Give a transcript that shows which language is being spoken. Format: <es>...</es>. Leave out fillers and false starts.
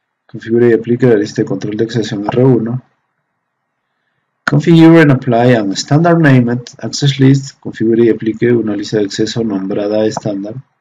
<es>Configure y aplica la lista de control de acceso en R1.</es> <en>Configure and apply a standard named access list.</en> <es>Configure y aplique una lista de acceso nombrada estándar.</es>